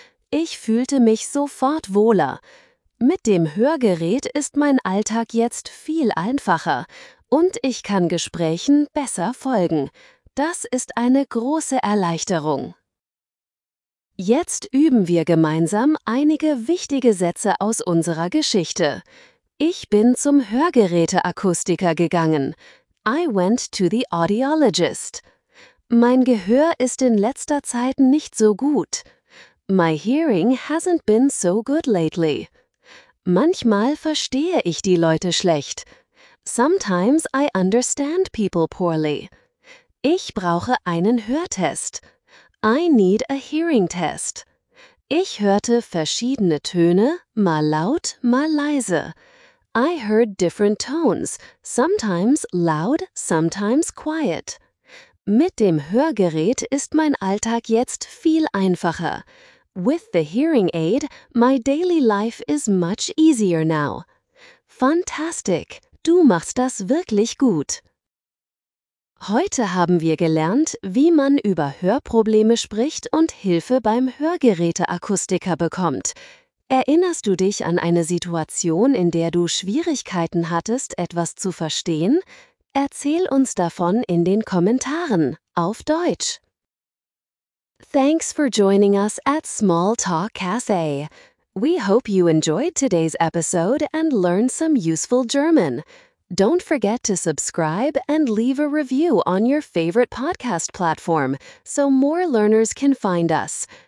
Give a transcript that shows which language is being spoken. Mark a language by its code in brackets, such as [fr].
[de] Ich fühlte mich sofort wohler. Mit dem Hörgerät ist mein Alltag jetzt viel einfacher und ich kann Gesprächen besser folgen. Das ist eine große Erleichterung. Jetzt üben wir gemeinsam einige wichtige Sätze aus unserer Geschichte. Ich bin zum Hörgeräteakustiker gegangen. [en] I went to the audiologist. [de] Mein Gehör ist in letzter Zeit nicht so gut. [en] My hearing hasn't been so good lately. [de] Manchmal verstehe ich die Leute schlecht. [en] Sometimes I understand people poorly. [de] Ich brauche einen Hörtest. [en] I need a hearing test. [de] Ich hörte verschiedene Töne, mal laut, mal leise. [en] I heard different tones, sometimes loud, sometimes quiet. [de] Mit dem Hörgerät ist mein Alltag jetzt viel einfacher. [en] With the hearing aid, my daily life is much easier now. Fantastic! [de] Du machst das wirklich gut! Heute haben wir gelernt, wie man über Hörprobleme spricht und Hilfe beim Hörgeräteakustiker bekommt. Erinnerst du dich an eine Situation, in der du Schwierigkeiten hattest, etwas zu verstehen? Erzähl uns davon in den Kommentaren auf Deutsch. [en] Thanks for joining us at Small Talk Cafe. We hope you enjoyed today's episode and learned some useful German. Don't forget to subscribe and leave a review on your favorite podcast platform so more learners can find us.